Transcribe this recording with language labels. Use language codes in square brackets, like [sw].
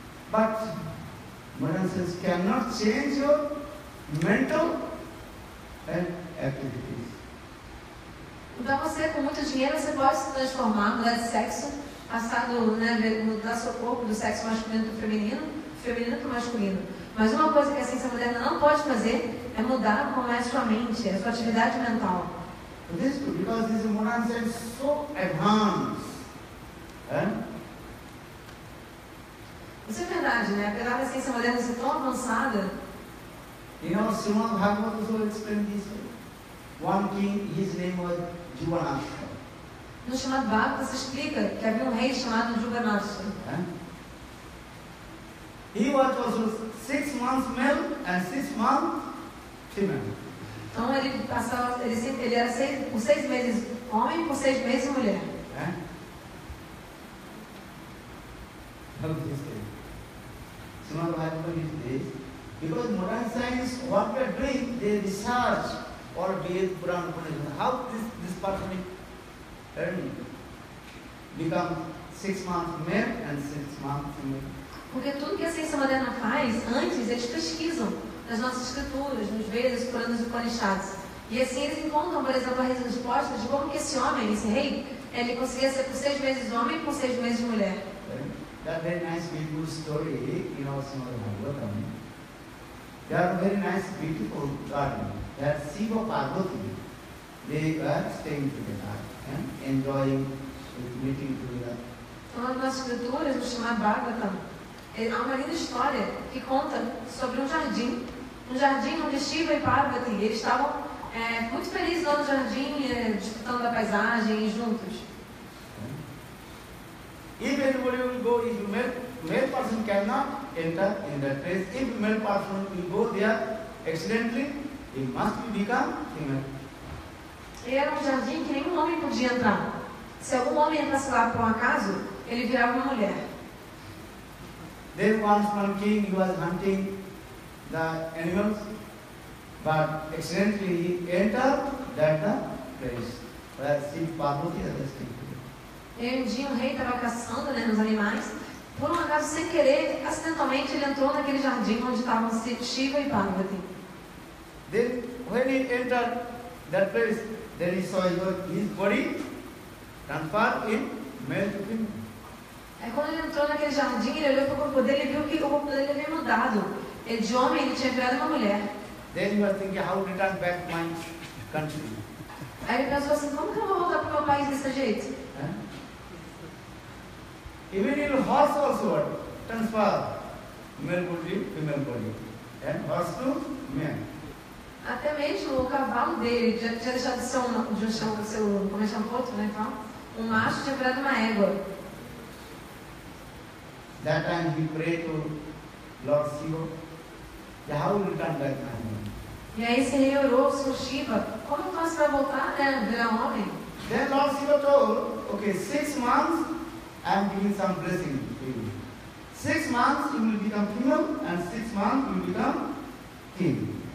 [en] But modern science cannot change your mental activities. [pt] Então você com muito dinheiro você pode se transformar, mudar de sexo, passar do, né, mudar seu corpo do sexo masculino para o feminino, feminino para o masculino. Mas uma coisa que a ciência moderna não pode fazer é mudar como é a sua mente, a sua atividade mental. [en] But this is good because this modern science is so advanced. [pt] Isso é verdade, né? Apesar da ciência moderna ser tão avançada. [en] You know, Srimad Bhagavata also explained this way. One king, his name was Juvanastra. [pt] No Srimad Bhagavata se explica que havia rei chamado Juvanastra. [en] He was also 6 months male and 6 months female. [pt] Então ele passava, ele era com 6 meses homem e com 6 meses mulher. [en] How is this? Srimad Bhagavata is this. Because modern science, what we are doing, they research or B.S. Puran Upanishad. How this person become 6 months male and 6 months female? [pt] Porque tudo que a ciência moderna faz, antes eles pesquisam nas nossas escrituras, nos Vedas, Puranas e Upanishads. E assim eles encontram, por exemplo, a resposta de como que esse homem, esse rei, ele conseguia ser por 6 meses homem e por 6 meses mulher. [en] That very nice, beautiful story in our Srimad Bhagavata. There are very nice, beautiful garden. There are Shiva Parvati. They were staying together and enjoying meeting together. [pt] Então, nas escrituras, no Srimad Bhagavata, há uma linda história que conta sobre um jardim onde Shiva e Parvati, eles estavam muito felizes lá no jardim, disfrutando da paisagem juntos. [en] If anybody will go, if male person cannot enter in that place, if male person will go there accidentally, he must become female. [pt] Era um jardim que nenhum homem podia entrar. Se algum homem entrasse lá por um acaso, ele virava uma mulher. [en] Then once one king, he was hunting the animals, but accidentally he entered that the place where Shiva Parvati was resting. [pt] E um dia um rei estava caçando, né, nos animais, por um acaso, sem querer, acidentalmente ele entrou naquele jardim onde estavam Shiva e Parvati. [en] Then when he entered that place, then he saw his body transformed in male to female. [pt] Aí quando ele entrou naquele jardim, ele olhou para o corpo dele e viu que o corpo dele havia mudado. Ele de homem, ele tinha virado uma mulher. [en] Then he was thinking, how to return back to my country? [pt] Aí ele pensou assim, como que eu vou voltar para o meu país desse jeito? [en] Even in horse also, transfer male body, female body. And horse to man. [pt] Até mesmo o cavalo dele já tinha deixado de ser um macho, tinha virado uma égua. [en] That time he prayed to Lord Shiva, how will return back to him? [pt] E aí esse rei orou, Senhor Shiva, como então você vai voltar, né, virar homem? [en] Then Lord Shiva told, okay, 6 months, I'm giving some blessing to you. 6 months, you will become human, and 6 months, you will become king.